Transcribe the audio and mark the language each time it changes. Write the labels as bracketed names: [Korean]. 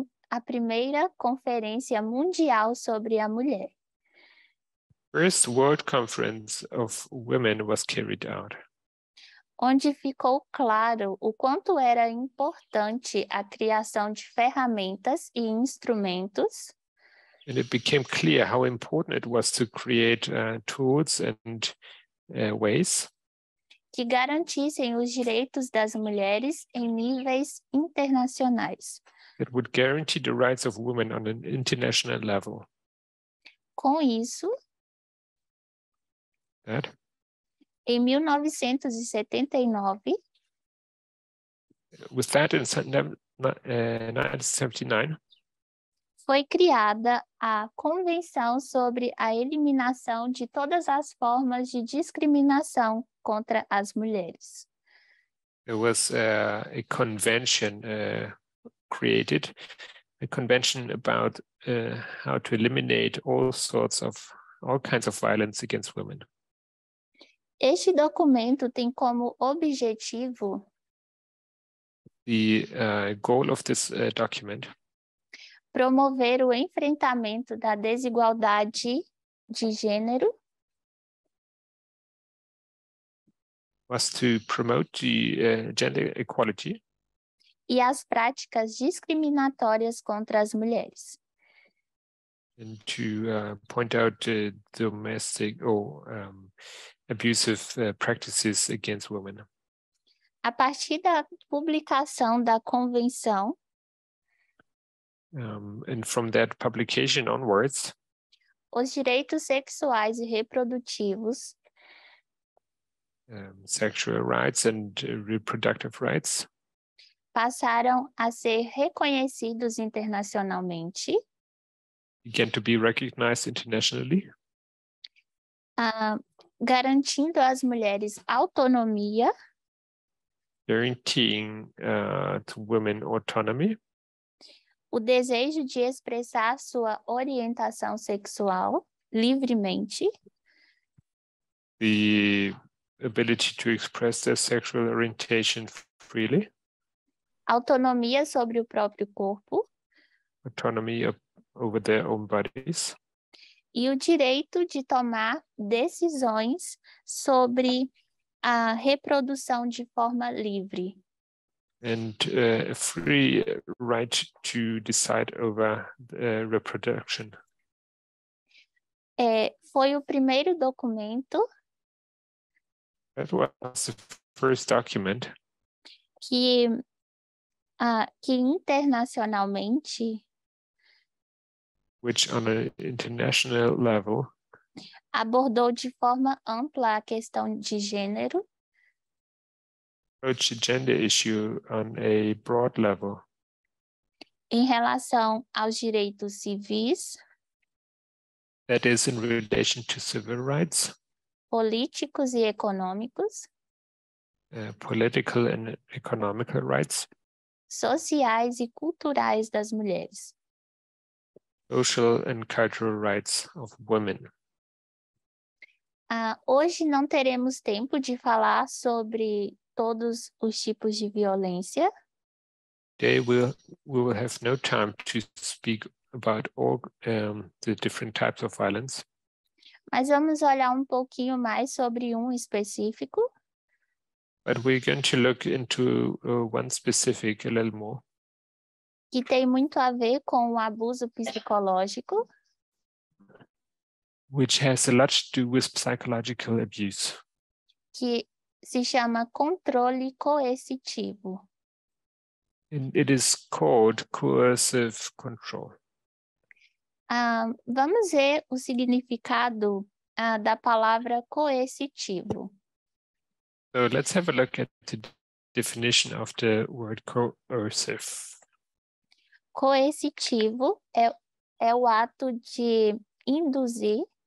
[Portuguese] A primeira conferência mundial sobre a mulher. [English] First World Conference of Women was carried out. [Portuguese] Onde ficou claro o quanto era importante a criação de ferramentas e instrumentos. [English] And it became clear how important it was to create tools and ways. [Portuguese] Que garantissem os direitos das mulheres em níveis internacionais. [English] It would guarantee the rights of women on an international level. [Portuguese] Com isso, [English] that? [Portuguese] Em 1979, [English] with that in 1979, [Portuguese] foi criada a Convenção sobre a Eliminação de Todas as Formas de Discriminação contra as Mulheres. [English] There was a convention created, a convention about how to eliminate all kinds of violence against women. [Portuguese] Este documento tem como objetivo [English] the goal of this document [Portuguese] promover o enfrentamento da desigualdade de gênero. [English] Was to promote the gender equality [Portuguese] e as práticas discriminatórias contra as mulheres. [English] And to point out domestic or abusive practices against women. [Portuguese] A partir da publicação da convenção [English] And from that publication onwards, [Portuguese] os direitos sexuais e reprodutivos, [English] sexual rights and reproductive rights, [Portuguese] passaram a ser reconhecidos internacionalmente, [English] began to be recognized internationally, [Portuguese] garantindo às mulheres autonomia, [English] guaranteeing to women autonomy, [Portuguese] o desejo de expressar sua orientação sexual livremente. [English] The ability to express their sexual orientation freely. [Portuguese] Autonomia sobre o próprio corpo. [English] Autonomy over their own bodies. [Portuguese] E o direito de tomar decisões sobre a reprodução de forma livre. [English] And a free right to decide over reproduction. [Portuguese] Foi o primeiro documento. [English] That was the first document. [Portuguese] Que internacionalmente. [English] Which on an international level. [Portuguese] Abordou de forma ampla a questão de gênero. [English] Approach the gender issue on a broad level. [Portuguese] Em relação aos direitos civis. [English] That is in relation to civil rights. [Portuguese] Políticos e econômicos. [English] Political and economical rights. [Portuguese] Sociais e culturais das mulheres. [English] Social and cultural rights of women. [Portuguese] Hoje não teremos tempo de falar sobre todos os tipos de violência. [English] Today we will have no time to speak about all the different types of violence. [Portuguese] Mas vamos olhar um pouquinho mais sobre um específico. [English] But we're going to look into one specific a little more. [Portuguese] Que tem muito a ver com o abuso psicológico. [English] Which has a lot to do with psychological abuse. [Portuguese] Que se chama controle coercitivo. [English] And it is called coercive control. [Portuguese] Vamos ver o significado da palavra coercitivo. [English] So let's have a look at the definition of the word coercive. [Portuguese] Coercitivo é o ato de induzir.